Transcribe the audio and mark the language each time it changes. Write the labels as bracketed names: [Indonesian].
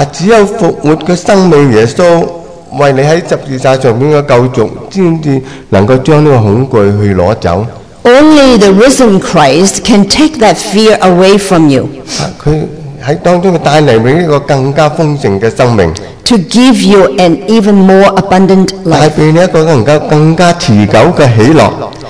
[Chinese] 只有复活的生命耶稣为你在十字架上面的救赎，才能够将这个恐惧去拿走。 [English] Only the risen Christ can take that fear away from you. [Chinese] 他在当中带来你一个更加丰盛的生命。 [English] To give you an even more abundant life. [Chinese] 带给你一个更加持久的喜乐。